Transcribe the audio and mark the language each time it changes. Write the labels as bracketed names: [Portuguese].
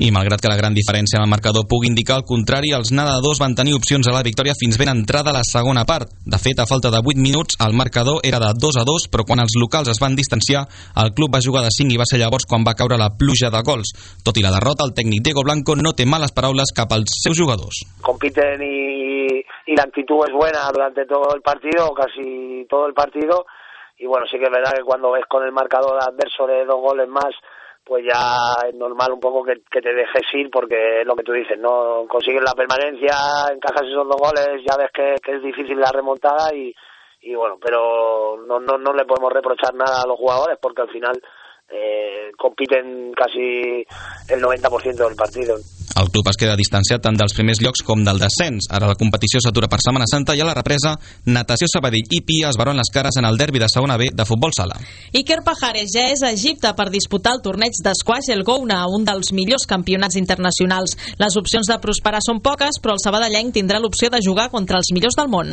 [Catalan] I malgrat que la gran diferència en el marcador pugui indicar el contrari, els nedadors van tenir opcions a la victòria fins ben entrada la segona part. De fet, a falta de 8 minuts, el marcador era de 2-2, però quan els locals es van distanciar, el club va jugar de 5 i va ser llavors quan va caure la pluja de gols. Tot i la derrota, el tècnic Diego Blanco no té males paraules cap als seus jugadors. [Spanish] Compiten y la actitud es buena durante todo el partido, casi todo el partido, y bueno, sí que es verdad que cuando ves con el marcador adverso de 2 goles más, pues ya es normal un poco que te dejes ir, porque es lo que tú dices, no consigues la permanencia, encajas esos 2 goles, ya ves que es difícil la remontada y bueno, pero no le podemos reprochar nada a los jugadores porque al final compiten casi el 90% del partido. [Catalan] El club es queda distanciat tant dels primers llocs com del descens. Ara la competició s'atura per Setmana Santa i a la represa, Natació Sabadell i Pia es veuen les cares en el derbi de segona B de futbol sala. Iker Pajares ja és a Egipte per disputar el torneig d'esquash El Gouna, un dels millors campionats internacionals. Les opcions de prosperar són poques, però el sabadellenc tindrà l'opció de jugar contra els millors del món.